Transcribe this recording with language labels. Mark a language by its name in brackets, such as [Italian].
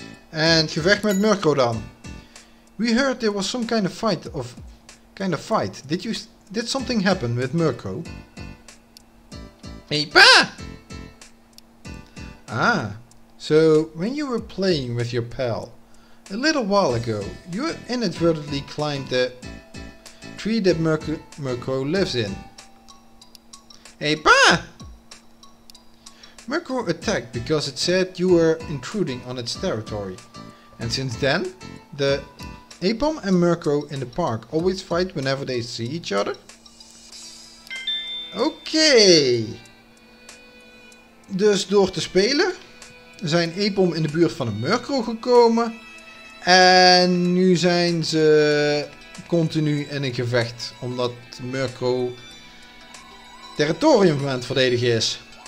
[Dutch] And gevecht met Murko dan. [English] We heard there was some kind of fight of... Kind of fight. Did something happen with Murko? Epa! Ah. So when you were playing with your pal... A little while ago, you inadvertently climbed the tree that Murko lives in. Epa! Murko attacked because it said you were intruding on its territory. And since then, the Apom and Murko in the park always fight whenever they see each other. Okay. [Dutch] Dus door te spelen, zijn Apom in de buurt van een Murko gekomen. En nu zijn ze continu in een gevecht, omdat Murko territorium aan het verdedigen is.